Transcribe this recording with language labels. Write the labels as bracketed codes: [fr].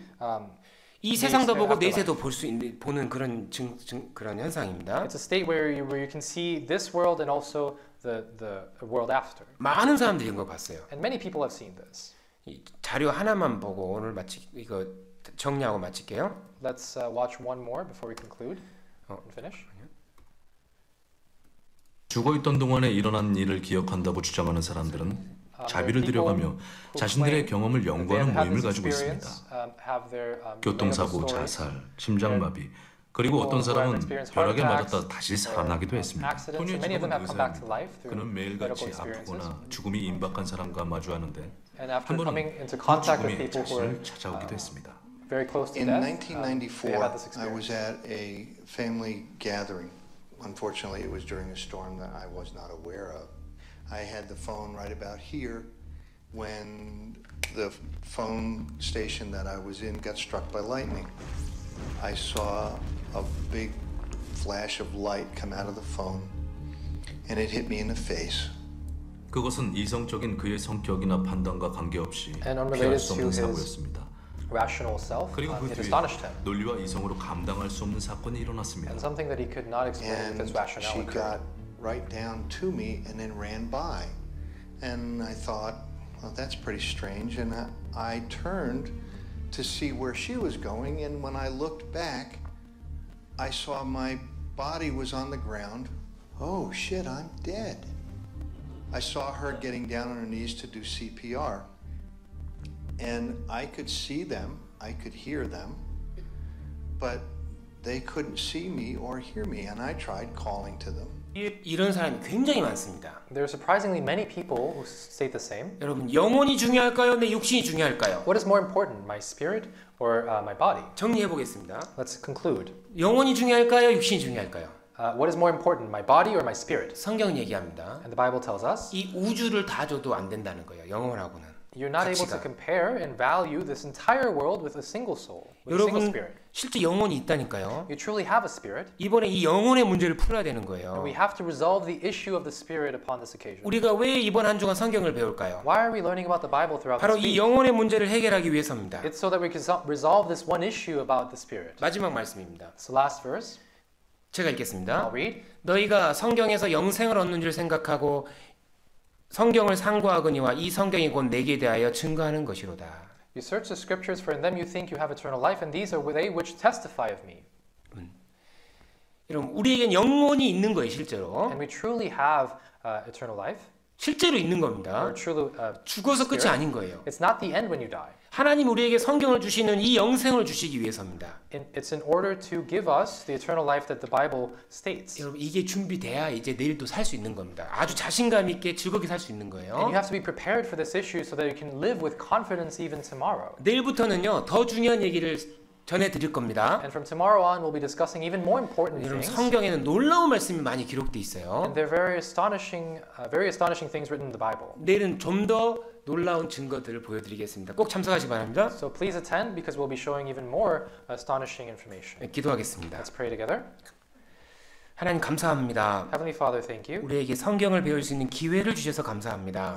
[ko] 이 세상도 보고 내세도 볼 수 있는 보는 그런 그런 현상입니다. [en] It's a state where you can see this world and also the world after. [ko] 많은 사람들이 이런 거 봤어요. [en] And many people have seen this. [ko] 이 자료 하나만 보고 오늘 마치 이거 정리하고 마칠게요. [en] Let's watch one more before we conclude and finish. [ko] 죽어 있던 동안에 일어난 일을 기억한다고 주장하는 사람들은 자비를 들여가며 자신들의 경험을 연구하는 모임을 가지고 있습니다. 교통사고, 자살, 심장마비, 그리고 어떤 사람은 벼락에 맞았다 다시 살아나기도 했습니다. 토니의 집은 의사입니다. 그는 매일같이 아프거나 죽음이 임박한 사람과 마주하는데 한 번은 그 죽음의 자신을 찾아오기도 했습니다. [en] Very close to death, they had this experience. In 1994, I was at a family gathering. Unfortunately, it was during a storm that I was not aware of. I had the phone right about here when the phone station that I was in got struck by lightning. I saw a big flash of light come out of the phone and it hit me in the face. [ko] 그것은 이성적인 그의 성격이나 판단과 관계없이 피할 수 없는 사고였습니다. [en] Rational self, [ko] 그리고 그 뒤에 [en] astonished him. [ko] 논리와 이성으로 감당할 수 없는 사건이 일어났습니다. [en] And something that he could not explain with his rationale occurred. Right down to me and then ran by. And I thought, well, that's pretty strange. And I turned to see where she was going. And when I looked back, I saw my body was on the ground. Oh, shit, I'm dead. I saw her getting down on her knees to do CPR. And I could see them, I could hear them, but they couldn't see me or hear me, and I tried calling to them. [ko] 이런 사람이 굉장히 많습니다. [en] There are surprisingly many people who say the same. [ko] 여러분, 영혼이 중요할까요? 내 육신이 중요할까요? [en] What is more important, my spirit or my body? [ko] 정리해 보겠습니다. [en] Let's conclude. [ko] 영혼이 중요할까요? 육신이 중요할까요? [en] What is more important, my body or my spirit? [ko] 성경 얘기합니다. [en] And the Bible tells us. [ko] 이 우주를 다 줘도 안 된다는 거예요. 영혼하고는. [en] You're not [ko] 가치가. [en] able to compare and value this entire world with a single soul, with [ko] 여러분, [en] a single spirit. [ko] 실제 영혼이 있다니까요. [en] You truly have a spirit. [ko] 이번에 이 영혼의 문제를 풀어야 되는 거예요. [en] And we have to resolve the issue of the spirit upon this occasion. [ko] 우리가 왜 이번 한 주간 성경을 배울까요? [en] Why are we learning about the Bible throughout this week? [ko] 바로 이 영혼의 문제를 해결하기 위해서입니다. [en] It's so that we can resolve this one issue about the spirit. [ko] 마지막 말씀입니다. [en] So last verse. [ko] 제가 읽겠습니다. [en] I'll read. [ko] 너희가 성경에서 영생을 얻는 줄 생각하고 성경을 상고하거니와 이 성경이 곧 내게 대하여 증거하는 것이로다. [en] You search the scriptures, for in them you think you have eternal life, and these are they which testify of me. [ko] 여러분, 우리에겐 영혼이 있는 거예요, 실제로. [en] And we truly have eternal life. [ko] 실제로 있는 겁니다. [en] We're truly, [ko] 죽어서 끝이 아닌 거예요. [en] It's not the end when you die. [ko] 하나님 우리에게 성경을 주시는 이 영생을 주시기 위해서입니다. [en] It's in order to give us the eternal life that the Bible states. [ko] 여러분, 이게 준비돼야 이제 내일도 살 수 있는 겁니다. 아주 자신감 있게 즐겁게 살 수 있는 거예요. [en] And you have to be prepared for this issue so that you can live with confidence even tomorrow. [ko] 내일부터는요, 더 중요한 얘기를 전해 드릴 겁니다. [en] And from tomorrow on we'll be discussing even more important things. [ko] 여러분, 성경에는 놀라운 말씀이 많이 기록돼 있어요. [en] And there are very astonishing things written in the Bible. [ko] 내일은 좀 더 놀라운 증거들을 보여드리겠습니다. 꼭 참석하시기 바랍니다. [en] So please attend because we'll be showing even more astonishing information. [ko] 네, 기도하겠습니다. [en] Let's pray together. [ko] 하나님 감사합니다. [en] Heavenly Father, thank you. [ko] 우리에게 성경을 배울 수 있는 기회를 주셔서 감사합니다.